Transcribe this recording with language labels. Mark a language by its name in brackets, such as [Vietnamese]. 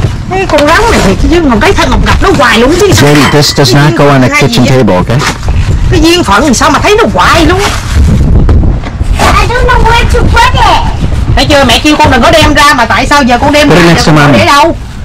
[Vietnamese] Cái con rắn này thiệt chứ Ngọc thấy thân Ngọc gặp nó hoài luôn chứ. [English] Jenny, this does not go on a kitchen table, okay? [Vietnamese] Cái duyên phận sao mà thấy nó hoài luôn. [English] I don't know where to put it. [Vietnamese] Thấy chưa, mẹ kêu con đừng có đem ra. Mà tại sao giờ con đem ra, giờ con để đâu?